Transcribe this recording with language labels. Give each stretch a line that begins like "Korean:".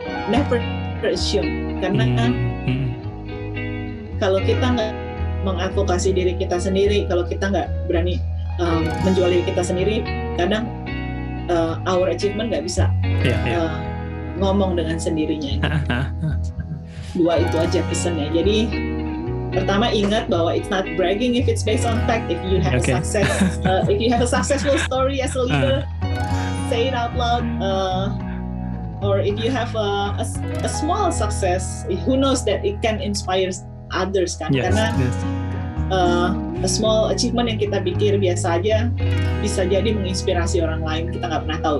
English: Never assume,
Indonesian: karena kalau kita nggak mengadvokasi diri kita sendiri, kalau kita nggak berani menjual diri kita sendiri, kadang
English: our achievement
Indonesian: nggak bisa ngomong dengan sendirinya. Dua itu aja pesannya. Jadi pertama, ingat bahwa
English: it's not bragging if it's based on fact. If you have a success, if you have a successful story as a leader, say it out loud. Or if you have a small success, who knows that it can inspire others kan? Yes,
Indonesian: karena
English: yes. A small achievement
Indonesian: yang kita pikir biasa aja bisa jadi menginspirasi orang lain, kita nggak pernah tahu.